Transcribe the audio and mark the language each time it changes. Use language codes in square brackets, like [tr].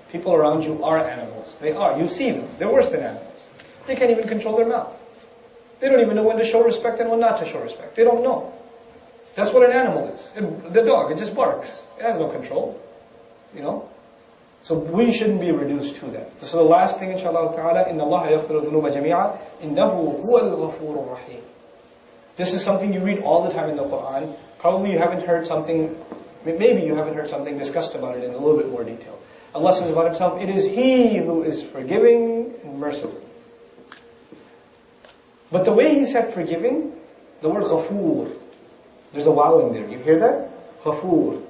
[en] People around you are animals. They are. You see them. They're worse than animals. They can't even control their mouth. They don't even know when to show respect and when not to show respect. They don't know. That's what an animal is. The dog, it just barks. It has no control. You know? So we shouldn't be reduced to that. So the last thing, [ar] inshallah ta'ala, إِنَّ اللَّهَ يَغْفِرُ الذُّنُوبَ جَمِيعًا إِنَّهُ هُوَ الْغَفُورُ الرَّحِيمُ. [en] This is something you read all the time in the Quran. Probably you haven't heard something, maybe you haven't heard something discussed about it in a little bit more detail. Allah says about Himself, it is He who is forgiving and merciful. But the way He said forgiving, the word ghafoor, there's a wow in there. You hear that? Ghafoor.